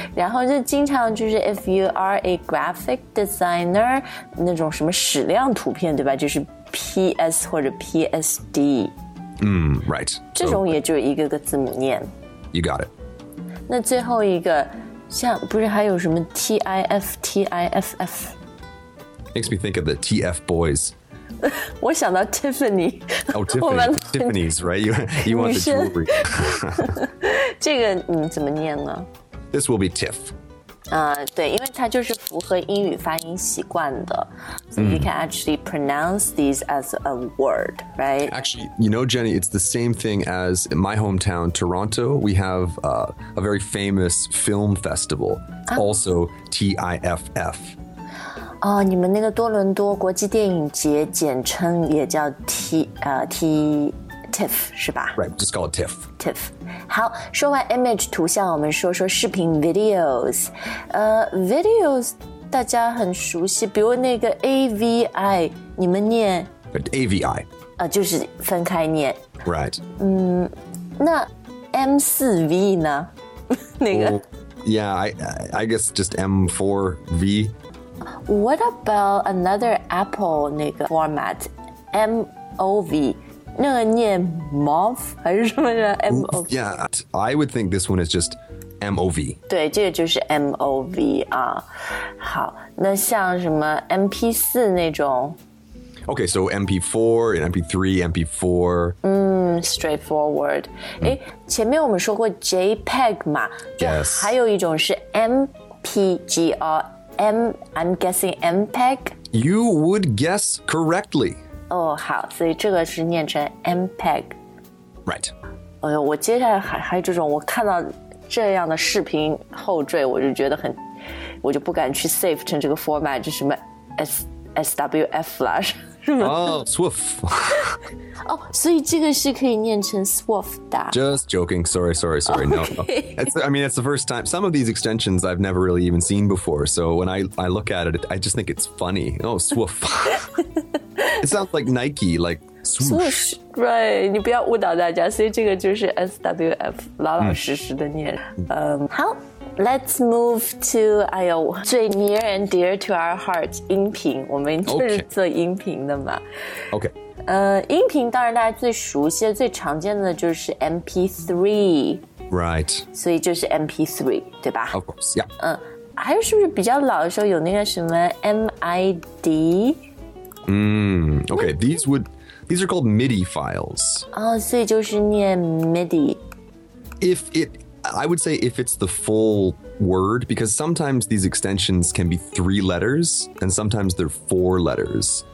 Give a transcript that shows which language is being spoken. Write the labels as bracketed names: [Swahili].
[Chinese] 然后就经常就是 [English] if you are a graphic designer, [Chinese] 那种什么矢量图片对吧就是 PS 或者 PSD. [English] Right. [Chinese] 这种也就一个个字母念。 [English] You got it. [Chinese] 那最后一个像不是还有什么 TIF, TIFF? [English] Makes me think of the TF boys. [Chinese] 我想到 Tiffany. [English] Oh, Tiffany. Tiffany's, right? You want the jewelry. [Chinese] 这个你怎么念呢? [English] This will be TIFF. [Chinese] 对因为它就是符合英语发音习惯的。 [English] So you can actually pronounce these as a word, right? Actually, you know, Jenny, it's the same thing as in my hometown, Toronto. We have a very famous film festival, also TIFF. [Chinese] Oh, 你们那个多伦多国际电影节简称也叫 TIFF, 是吧? [English] Right, just call it TIFF. TIFF. [Chinese] 好,说完 image 图像,我们说说视频 videos. [English] Videos... [Chinese] 大家很熟悉比如那个 AVI 你们念 AVI、就是分开念 [English] Right、 [Chinese] 那 M4V 呢那个 [English] oh, Yeah I guess just M4V What about another Apple [Chinese] 那个 format MOV 那个念 MOV 还是什么呢 MOV [English] Yeah I would think this one is justMOV [Chinese] 对这个就是 MOV 啊好那像什么 MP4 那种 [English] OK so MP4 and MP3 MP4 [Chinese] straightforward 前面我们说过 JPEG 嘛 [English] Yes [Chinese] 还有一种是 MPG [English] or I'm guessing [Chinese] MPEG [English] You would guess correctly [Chinese] 好所以这个是念成 MPEG [English] Right [Chinese] 我接下来还有这种我看到这样的视频后缀我就觉得很我就不敢去 save 成这个 format 就什么 SWF 啦是吗 SWF 所以这个是可以念成 SWF 的 [English] Just joking sorry、 okay. no, no. It's the first time some of these extensions I've never really even seen before so when I look at it I just think it's funny SWF It sounds like Nike likeSwoosh. Swoosh, right, [Chinese] 你不要误导大家所以这个就是 SWF 老老实实的念、好 [English] Let's move to [Chinese] 最 [English] near and dear to our hearts [Chinese] 音频我们就是做音频的嘛 [English] OK [Chinese] 音频当然大家最熟悉最常见的就是 MP3 [English] Right [Chinese] 所以就是 MP3 对吧 [English] Of course, yeah、 [Chinese] 还有是不是比较老的时候有那个什么 MID [English] OK, these wouldThese are called MIDI files. [Chinese] So 就是念 MIDI. [English] I would say if it's the full word, because sometimes these extensions can be three letters, and sometimes they're four letters.